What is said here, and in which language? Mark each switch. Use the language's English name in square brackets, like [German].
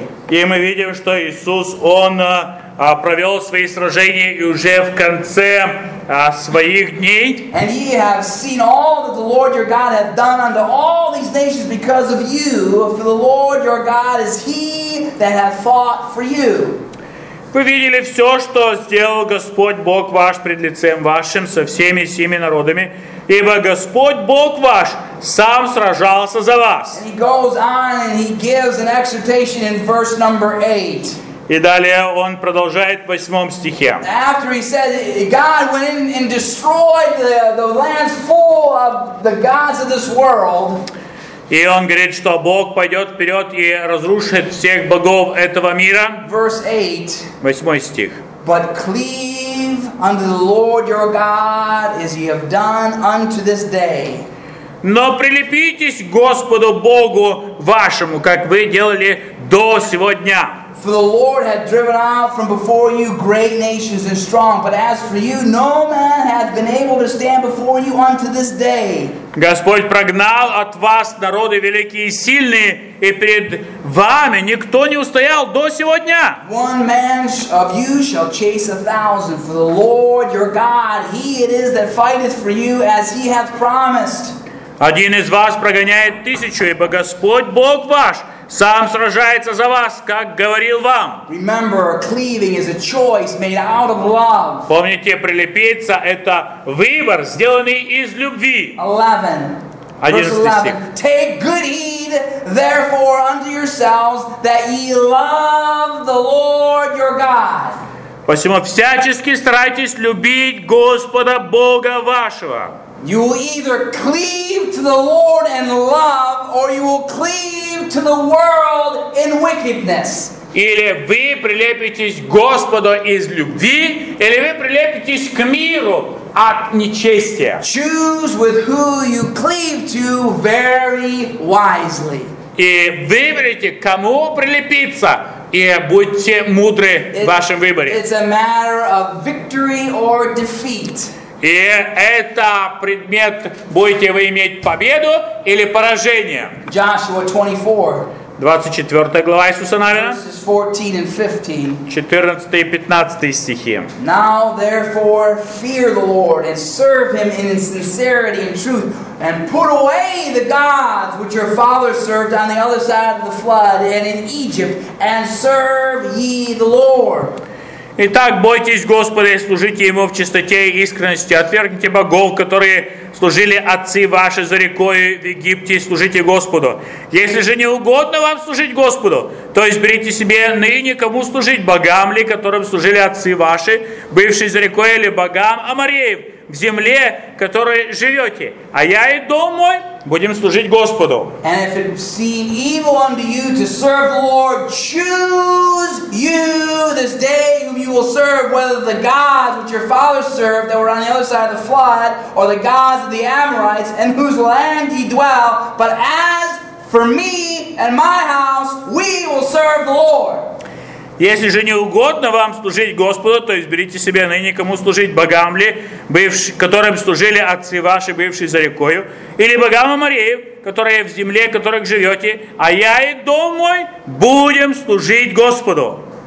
[Russian] И мы видим, что Иисус, он провел свои сражения и уже в конце своих дней. [English] And ye have seen all that the Lord your God hath done unto all these nations because of you. For the Lord your God is he that hath fought for you. [Russian] Вы видели все, что сделал Господь Бог ваш пред лицем вашим со всеми сими народами. Ибо Господь Бог ваш сам сражался за вас. [English] And he goes on and he gives an exhortation in verse number 8. [Russian] И далее он продолжает в 8 стихе. [English] After he said God went in and destroyed the land full of the gods of this world. [Russian] И он говорит, что Бог пойдет вперед и разрушит всех богов этого мира. [English] Verse 8. [Russian] 8 стих. [English] But cleave unto the Lord your God as ye have done unto this day. [Russian] Но прилепитесь к Господу Богу вашему, как вы делали до сего дня. [English] For the Lord hath driven out from before you great nations and strong, but as for you, no man hath been able to stand before you unto this day. [Russian] Господь прогнал от вас народы великие и сильные, и пред вами никто не устоял до сего дня. [English] One man of you shall chase a thousand, for the Lord your God, he it is that fighteth for you as he hath promised. [Russian] Один из вас прогоняет тысячу, ибо Господь Бог ваш сам сражается за вас, как говорил вам. [English] Remember, cleaving is a choice made out of love. [Russian] Помните, прилепиться – это выбор, сделанный из любви. 11. [English] Verse 11. Take good heed, therefore, unto yourselves, that ye love the Lord your God. [Russian] Посему всячески старайтесь любить Господа Бога вашего. [English] You will either cleave to the Lord and love, or you will cleave to the world in wickedness. [Russian] Или вы прилепитесь к Господу из любви, или вы прилепитесь к миру от нечестия. [English] Choose with who you cleave to very wisely. [Russian] И выберите, к кому прилепиться, и будьте мудры в вашем выборе. [English] It's a matter of victory or defeat. [Russian] И это предмет, будете вы иметь победу или поражение. [English] Joshua 24. [Russian] 24 глава Иисуса Навина. 14 и 15 стихи. [English] Now therefore fear the Lord and serve him in sincerity and truth, and put away the gods which your fathers served on the other side of the flood and in Egypt, and serve ye the Lord. [Russian] Итак, бойтесь Господа и служите Ему в чистоте и искренности. Отвергните богов, которые служили отцы ваши за рекой в Египте, и служите Господу. Если же не угодно вам служить Господу, то изберите себе ныне, кому служить, богам ли, которым служили отцы ваши, бывшие за рекой, или богам амореев в земле, в которой живете. А я и дом мой будем служить Господу. [English] And if it seem evil unto you to serve the Lord, choose you this day whom you will serve, whether the gods which your fathers served that were on the other side of the flood, or the gods of the Amorites, in whose land ye dwell. But as for me and my house, we will serve the Lord. [Russian] Если же не угодно вам служить Господу, то изберите себе ныне, кому служить, богам ли, которым служили отцы ваши, бывшие за рекою, или богам амореев, которые в земле, в которых живете, а я и дом мой будем служить Господу.